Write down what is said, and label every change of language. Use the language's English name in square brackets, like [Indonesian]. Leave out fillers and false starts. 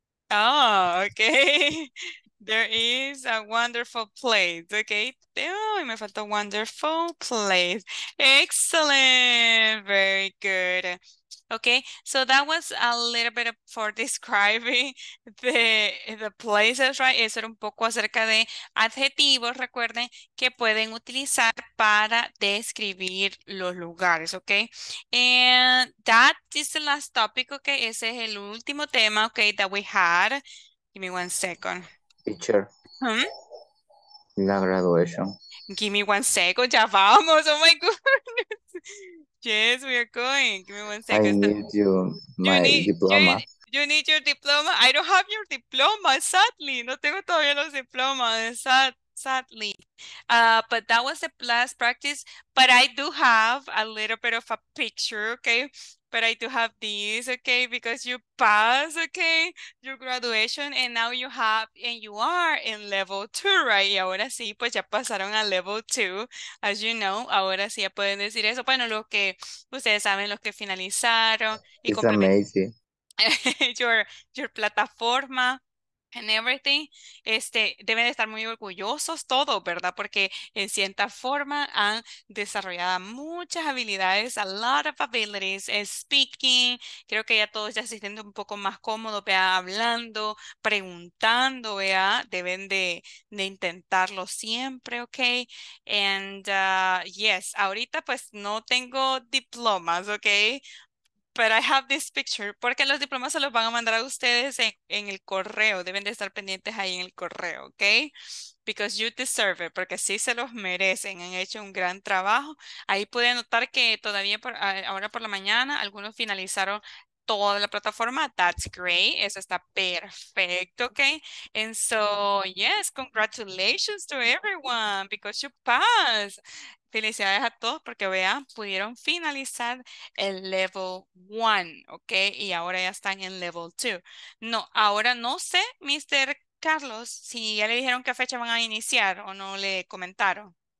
[English] Oh, okay. There is a wonderful place. Okay. Oh, [Spanish] me falta [English] wonderful place. Excellent. Very good. Okay, so that was a little bit for describing the places, right? [Spanish] Eso era un poco acerca de adjetivos, recuerden, que pueden utilizar para describir los lugares, okay? [English] And that is the last topic, okay? [Spanish] Ese es el último tema, [English] okay, that we had. Give me one second. Teacher. Hmm? La graduation. Give me one second, [Spanish] ya vamos, [English] oh my goodness. Yes, we are going. Give me one second. I need you, diploma. You need your diploma? I don't have your diploma, sadly. [Spanish] No tengo todavía los diplomas, [English] sadly. But that was the last practice. But I do have a little bit of a picture, okay? But I do have this, okay? Because you passed, okay, your graduation, and now you have, and you are in level 2, right? [Spanish] Y ahora sí, pues ya pasaron a [English] level 2, as you know. [Spanish] Ahora sí ya pueden decir eso. Bueno, los que, ustedes saben, los que finalizaron. [English] Y it's amazing. Your plataforma and everything. [Spanish] Deben estar muy orgullosos todos, ¿verdad? Porque en cierta forma han desarrollado muchas habilidades, [English] a lot of abilities, speaking, [Spanish] creo que ya todos ya se sienten un poco más cómodos, vea, hablando, preguntando, vea, deben de intentarlo siempre, ¿ok? [English] And yes, [Spanish] ahorita pues no tengo diplomas, ¿ok? [English] But I have this picture, [Spanish] porque los diplomas se los van a mandar a ustedes en el correo, deben de estar pendientes ahí en el correo, okay? [English] Because you deserve it, [Spanish] porque sí se los merecen, han hecho un gran trabajo. Ahí pude notar que todavía ahora por la mañana algunos finalizaron toda la plataforma, [English] that's great, [Spanish] eso está perfecto, okay? [English] And so, yes, congratulations to everyone, because you passed. [Spanish] Felicidades a todos porque vean, pudieron finalizar el level 1, ¿ok? Y ahora ya están en level 2. No, ahora no sé, Mr. Carlos, si ya le dijeron qué fecha van a iniciar o no le comentaron.